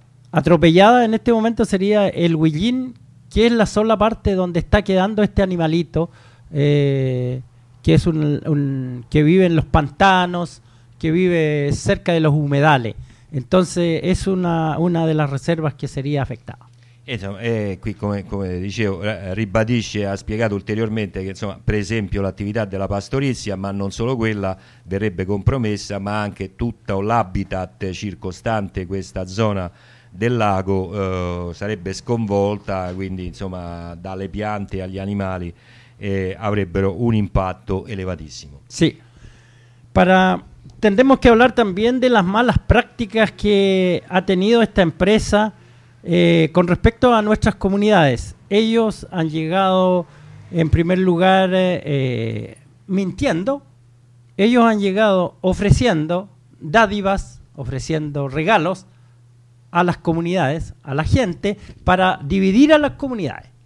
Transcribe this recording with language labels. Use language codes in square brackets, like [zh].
[es] atropellada en este momento sería el huillín, que es la sola parte donde está quedando este animalito, que es un que vive en los pantanos, que vive cerca de los humedales. Entonces es una de las reservas que sería afectada. [it] Insomma, qui come dicevo, ribadisce, ha spiegato ulteriormente che insomma, per esempio l'attività della pastorizia, ma non solo quella, verrebbe compromessa, ma anche tutto l'habitat circostante questa zona del lago sarebbe sconvolta, quindi insomma dalle piante agli animali avrebbero un impatto elevatissimo. Sì, [es] para... tendremos que hablar también de las malas prácticas che ha tenido esta empresa con respecto a nuestras comunidades. Ellos han llegado en primer lugar mintiendo, ellos han llegado ofreciendo dádivas, ofreciendo regalos a las comunidades, a la gente, para dividir a las comunidades.